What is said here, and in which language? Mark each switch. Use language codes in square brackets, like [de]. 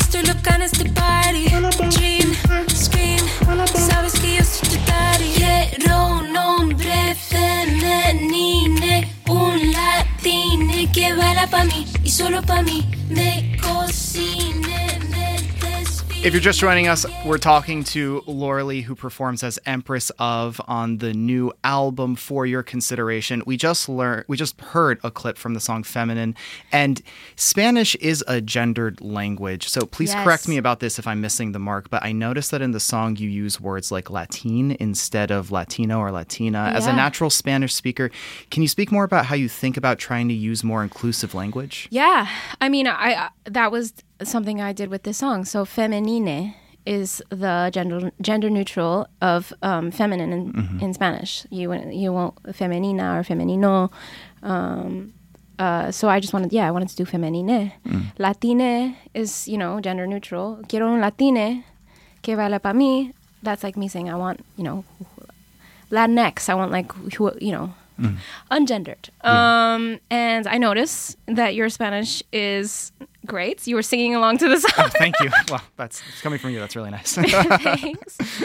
[es] Estoy loca en este [en] party, wanna bomb. Dream, scream, wanna bomb. [es] Sabes que yo soy tu daddy. Quiero un nombre femenino, un latino que baila pa' mí y solo pa' mí. Me cocine, me despide. [en] If you're just joining us, we're talking to Loralee, who performs as Empress Of on the new album For Your Consideration. We just heard a clip from the song Feminine, and Spanish is a gendered language. So please correct me about this if I'm missing the mark, but I noticed that in the song you use words like Latin instead of Latino or Latina. Yeah. As a natural Spanish speaker, can you speak more about how you think about trying to use more inclusive language? Yeah, I mean, that was something I did with this song. So femenine is the gender neutral of feminine in, mm-hmm. in Spanish. You want femenina or femenino. So I just wanted, I wanted to do femenine. Mm. Latine is, you know, gender neutral. [es] Quiero un latine que vale pa mí. [en] That's like me saying I want, you know, Latinx. I want, like, you know, ungendered. And I notice that your Spanish is great. You were singing along to the song. Oh, thank you. Well, it's coming from you. That's really nice. Thanks.